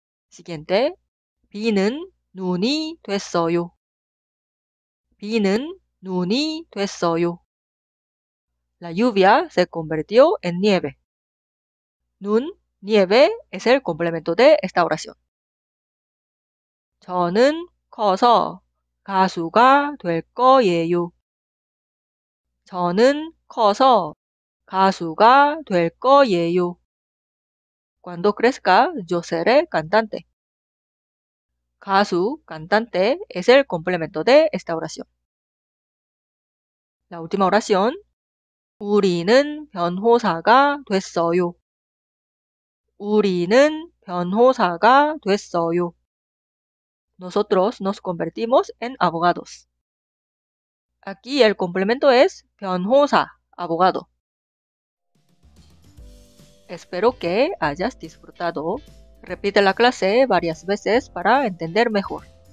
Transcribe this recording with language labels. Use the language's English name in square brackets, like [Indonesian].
[Korean] Siguiente. 비는 눈이 됐어요. 비는 눈이 됐어요. [Spanish] La lluvia se convirtió en nieve. Nun, nieve, es el complemento de esta oración. [Korean] 저는 커서 가수가 될 거예요. 저는 커서 가수가 될 거예요. [Spanish] Cuando crezca, yo seré cantante. 가수, cantante, es el complemento de esta oración. La última oración. [Korean] 우리는 변호사가 됐어요. 우리는 변호사가 됐어요. [Spanish] Nosotros nos convertimos en abogados. Aquí el complemento es 변호사, abogado. Espero que hayas disfrutado. Repite la clase varias veces para entender mejor.